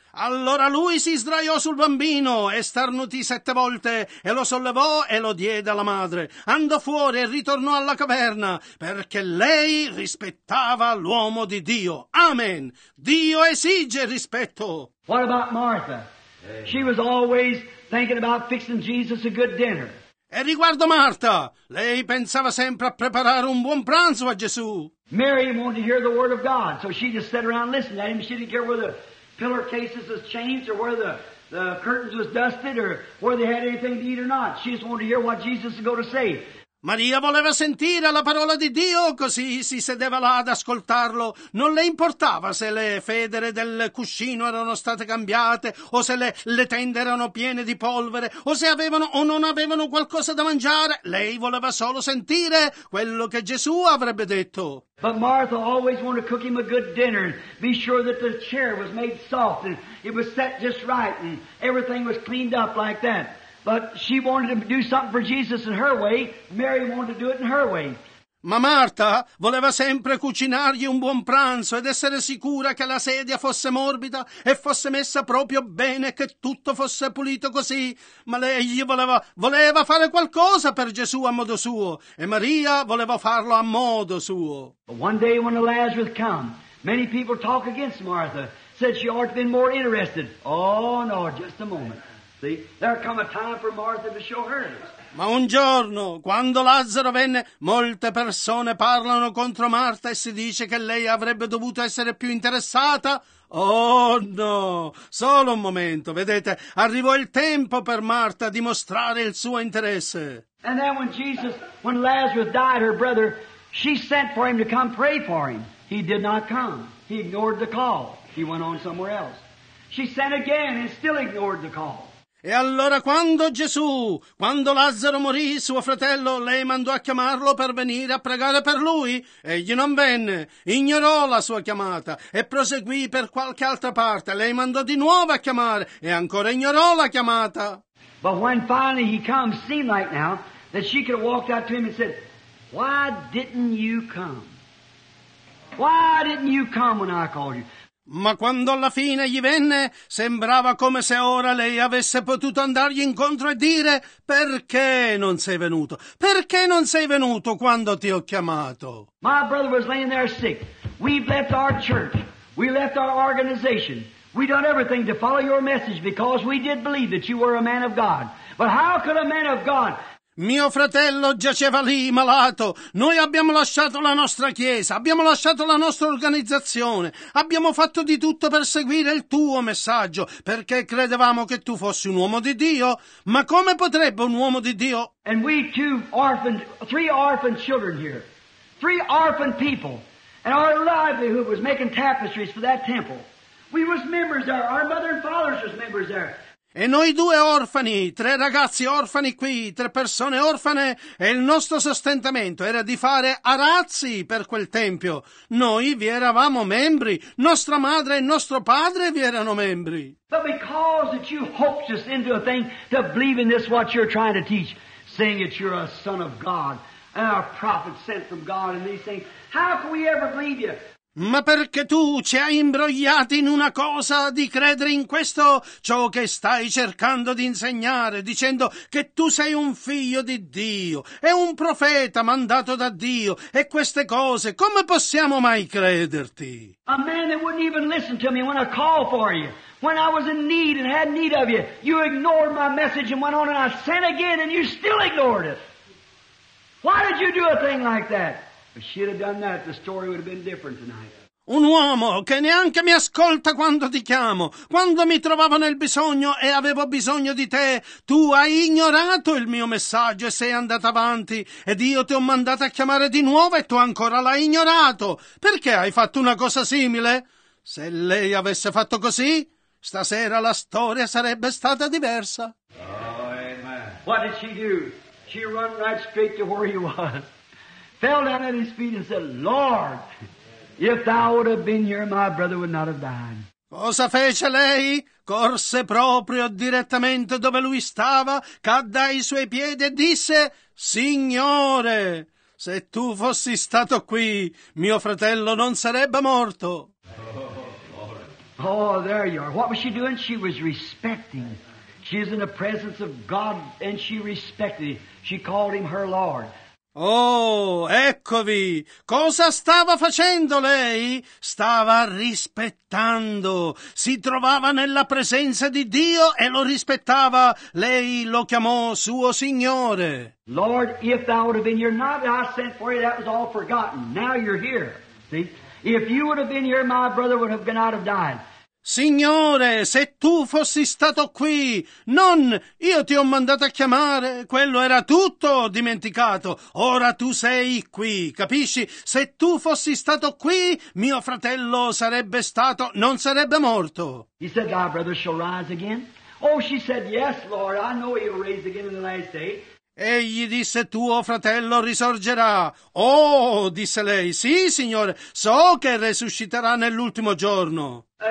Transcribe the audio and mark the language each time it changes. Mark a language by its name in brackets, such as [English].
[Italian] Allora lui si sdraiò sul bambino e starnutì 7 volte e lo sollevò e lo diede alla madre. Andò fuori e ritornò alla caverna perché lei rispettava l'uomo di Dio. Amen. Dio esige rispetto. [English] What about Martha? She was always thinking about fixing Jesus a good dinner. [Italian] E riguardo Marta, lei pensava sempre a preparare un buon pranzo a Gesù. [English] Mary wanted to hear the word of God, so she just sat around listening to him. She didn't care where the pillar cases was changed or where the curtains was dusted or where they had anything to eat or not. She just wanted to hear what Jesus was going to say. [Italian] Maria voleva sentire la parola di Dio, così si sedeva là ad ascoltarlo. Non le importava se le federe del cuscino erano state cambiate, o se le tende erano piene di polvere, o se avevano o non avevano qualcosa da mangiare. Lei voleva solo sentire quello che Gesù avrebbe detto. [English] But Martha always wanted to cook him a good dinner and be sure that the chair was made soft and it was set just right and everything was cleaned up like that. But she wanted to do something for Jesus in her way. Mary wanted to do it in her way. [Italian] Ma Marta voleva sempre cucinargli un buon pranzo ed essere sicura che la sedia fosse morbida e fosse messa proprio bene, che tutto fosse pulito così. Ma lei gli voleva fare qualcosa per Gesù a modo suo, e Maria voleva farlo a modo suo. [English] But one day when the Lazarus come, many people talk against Martha, said she ought to be more interested. Oh no, just a moment. See, there come a time for Martha to show hers. [Italian] Ma un giorno, quando Lazzaro venne, molte persone parlano contro Marta e si dice che lei avrebbe dovuto essere più interessata. Oh no, solo un momento, vedete, arrivò il tempo per Marta di mostrare il suo interesse. [English] And then when Jesus, when Lazarus died, her brother, she sent for him to come pray for him. He did not come. He ignored the call. He went on somewhere else. She sent again and still ignored the call. [Italian] E allora quando Lazzaro morì, suo fratello, lei mandò a chiamarlo per venire a pregare per lui. Egli non venne, ignorò la sua chiamata e proseguì per qualche altra parte. Lei mandò di nuovo a chiamare e ancora ignorò la chiamata. [English] But when finally he comes, seemed like now, that she could have walked out to him and said, why didn't you come? Why didn't you come when I called you? [Italian] Ma quando alla fine gli venne, sembrava come se ora lei avesse potuto andargli incontro e dire: perché non sei venuto? Perché non sei venuto quando ti ho chiamato? [English] My brother was laying there sick. We've left our church. We left our organization. We done everything to follow your message because we did believe that you were a man of God. But how could a man of God... [Italian] Mio fratello giaceva lì, malato. Noi abbiamo lasciato la nostra chiesa, abbiamo lasciato la nostra organizzazione. Abbiamo fatto di tutto per seguire il tuo messaggio, perché credevamo che tu fossi un uomo di Dio. Ma come potrebbe un uomo di Dio... [English] And we two orphaned, three orphaned children here. Three orphaned people. And our livelihood was making tapestries for that temple. We was members there. Our mother and fathers was members there. [Italian] E noi due orfani, tre ragazzi orfani qui, tre persone orfane, e il nostro sostentamento era di fare arazzi per quel tempio. Noi vi eravamo membri, nostra madre e nostro padre vi erano membri. [English] But because that you hoped us into a thing to believe in this what you're trying to teach, saying that you're a son of God and a prophet sent from God and these things, how can we ever believe you? [Italian] Ma perché tu ci hai imbrogliati in una cosa di credere in questo ciò che stai cercando di insegnare, dicendo che tu sei un figlio di Dio e un profeta mandato da Dio e queste cose, come possiamo mai crederti? [English] A man that wouldn't even listen to me when I called for you, when I was in need and had need of you, you ignored my message and went on and I sent again and you still ignored it. Why did you do a thing like that? If she'd have done that, the story would have been different tonight. [Italian] Un uomo che neanche mi ascolta quando ti chiamo, quando mi trovavo nel bisogno e avevo bisogno di te, tu hai ignorato il mio messaggio e sei andato avanti, ed io ti ho mandato a chiamare di nuovo e tu ancora l'hai ignorato. Perché hai fatto una cosa simile? Se lei avesse fatto così, stasera la storia sarebbe stata diversa. Oh, amen. [English] What did she do? She run right straight to where he was. Fell down at his feet and said, Lord, if thou would have been here, my brother would not have died. [Italian] Cosa fece lei? Corse proprio direttamente dove lui stava, cadde ai suoi piedi e disse, Signore, se tu fossi stato qui, mio fratello non sarebbe morto. [English] Oh, there you are. What was she doing? She was respecting. She is in the presence of God and she respected him. She called him her Lord. [Italian] Oh, eccovi! Cosa stava facendo lei? Stava rispettando. Si trovava nella presenza di Dio e lo rispettava. Lei lo chiamò suo Signore. [English] Lord, if thou would have been here, not that I sent for you, that was all forgotten. Now you're here. See? If you would have been here, my brother would have gone out of dying. [Italian] Signore, se tu fossi stato qui, non io ti ho mandato a chiamare, quello era tutto dimenticato, ora tu sei qui, capisci? Se tu fossi stato qui, mio fratello sarebbe stato, non sarebbe morto. [English] He said, thy brother shall rise again. Oh, she said, yes, Lord, I know he'll rise again in the last day. [Italian] Egli disse, tuo fratello risorgerà. Oh, disse lei, sì, signore, so che resusciterà nell'ultimo giorno.